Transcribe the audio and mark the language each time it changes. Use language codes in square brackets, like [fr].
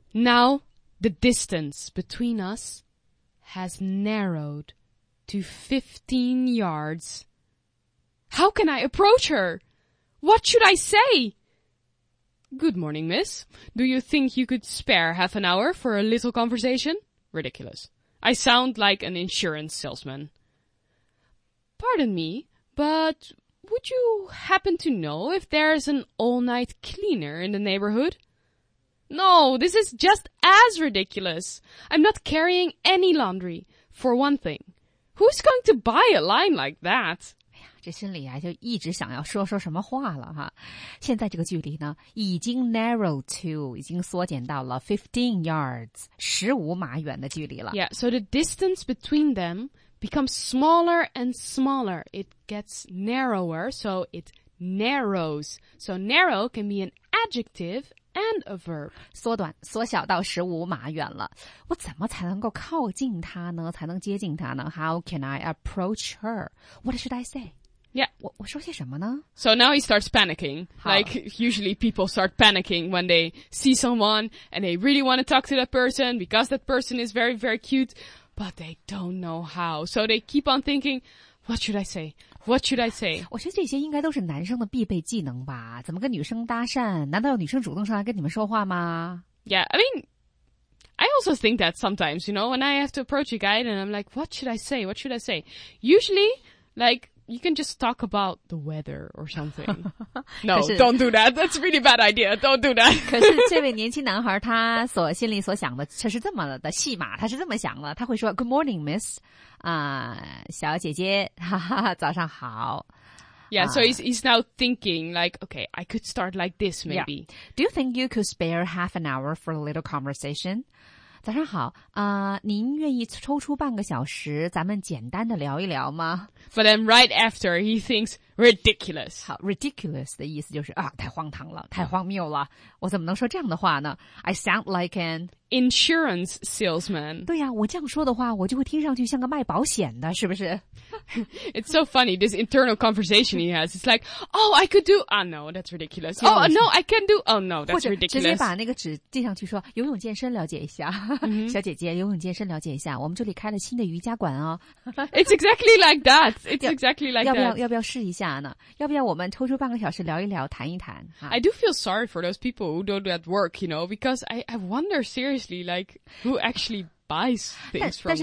[en] Now, the distance between us has narrowed. To 15 yards. How can I approach her? What should I say? Good morning, miss. Do you think you could spare half an hour for a little conversation? Ridiculous. I sound like an insurance salesman. Pardon me, but would you happen to know if there's an all-night cleaner in the neighborhood? No, this is just as ridiculous. I'm not carrying any laundry, for one thing. Who's going to buy a line like that? [zh] 哎呀，这心里啊就一直想要说什么话了哈。现在这个距离呢，已经 [en] narrow to [zh] 已经缩减到了 [en] 15 yards [zh] 15码远的距离了。 [en] Yeah, so the distance between them becomes smaller and smaller. It gets narrower, so it narrows. So narrow can be an adjective and a verb. [zh] 缩短缩小到15码远了。我怎么才能够靠近他呢才能接近他呢 [en] How can I approach her? What should I say? Yeah. [zh] 我说些什么呢 [en] So now he starts panicking. Like usually people start panicking when they see someone and they really want to talk to that person because that person is very, very cute, but they don't know how. So they keep on thinking, what should I say? What should I say? [zh] 我觉得这些应该都是男生的必备技能吧。怎么跟女生搭讪？难道有女生主动上来跟你们说话吗 [en] ？Yeah, I mean, I also think that sometimes, you know, when I have to approach a guy and I'm like, what should I say? What should I say? Usually, like, you can just talk about the weather or something. No, don't do that. That's a really bad idea. Don't do that. [zh] 可是这位年轻男孩他所心里所想的却是这么的戏码，他是这么想的，他会说 ， [en] Good morning, miss. [zh] 小姐姐哈哈早上好。 [en] Yeah, so he's now thinking like, okay, I could start like this maybe.、 Yeah. Do you think you could spare half an hour for a little conversation? [zh] 早上好您愿意抽出半个小时咱们简单的聊一聊吗 [en] But then right after, he thinks, ridiculous. [zh] 好 ,ridiculous 的意思就是啊太荒唐了太荒谬了。我怎么能说这样的话呢 ? [en] I sound like an insurance salesman. [zh] 对呀、啊、我这样说的话我就会听上去像个卖保险的是不是 [en] ?It's so funny, this internal conversation he has. It's like, oh, I could do, oh no, that's ridiculous. Oh no, I can do, oh no, that's ridiculous. [zh] 直接把那个纸递上去说游泳健身了解一下。小姐姐游泳健身了解一下我们这里开了新的瑜伽馆哦。 [en] It's exactly like that. It's exactly like that. [zh] 要不要试一下呢要不要我们抽出半个小时聊一聊谈一谈、啊、 [en] I do feel sorry for those people who don't do that work, you know, because I wonder seriously, like, who actually buys things from them.